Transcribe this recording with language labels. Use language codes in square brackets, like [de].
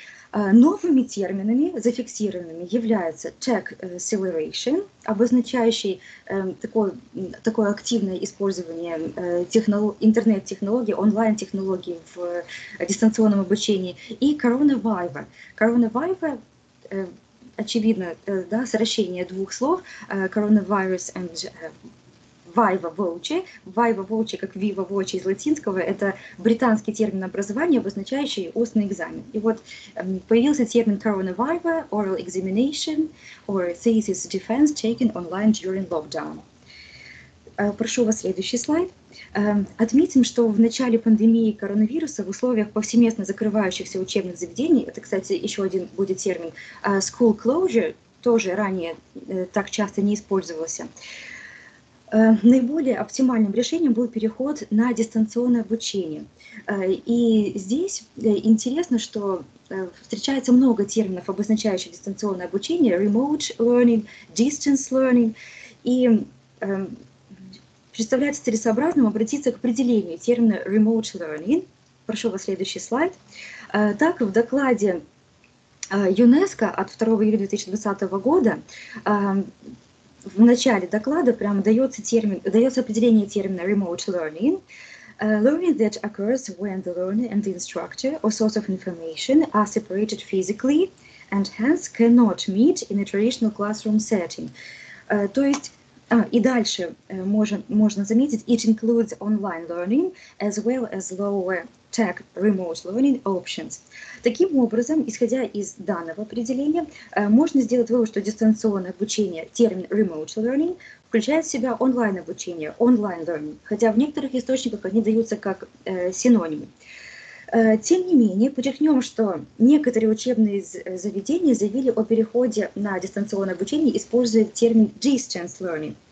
[ru] Новыми терминами, зафиксированными, являются tech acceleration, обозначающий такое активное использование интернет-технологий, онлайн-технологий в дистанционном обучении, и coronavirus. Coronavirus, очевидно, да, сокращение двух слов, coronavirus and Viva Voce. Viva Voce, как Viva Voce из латинского, это британский термин образования, обозначающий устный экзамен. И вот появился термин [en] coronavirus, oral examination, or thesis defense taken online during lockdown. [ru] Прошу вас следующий слайд. Отметим, что в начале пандемии коронавируса в условиях повсеместно закрывающихся учебных заведений, это, кстати, еще один будет термин, school closure, тоже ранее так часто не использовался, наиболее оптимальным решением был переход на дистанционное обучение. И здесь интересно, что встречается много терминов, обозначающих дистанционное обучение: remote learning, distance learning. И представляется целесообразным обратиться к определению термина remote learning. Прошу вас следующий слайд. Так, в докладе ЮНЕСКО от 2 июля 2020 года в начале доклада прямо дается определение термина remote learning. [en] Learning that occurs when the learner and the instructor or source of information are separated physically and hence cannot meet in a traditional classroom setting. [ru] То есть, и дальше можно заметить, [en] it includes online learning as well as lower tech remote learning options. [ru] Таким образом, исходя из данного определения, можно сделать вывод, что дистанционное обучение, термин remote learning, включает в себя онлайн обучение, online learning, хотя в некоторых источниках они даются как синонимы. Тем не менее, подчеркнем, что некоторые учебные заведения заявили о переходе на дистанционное обучение, используя термин distance learning.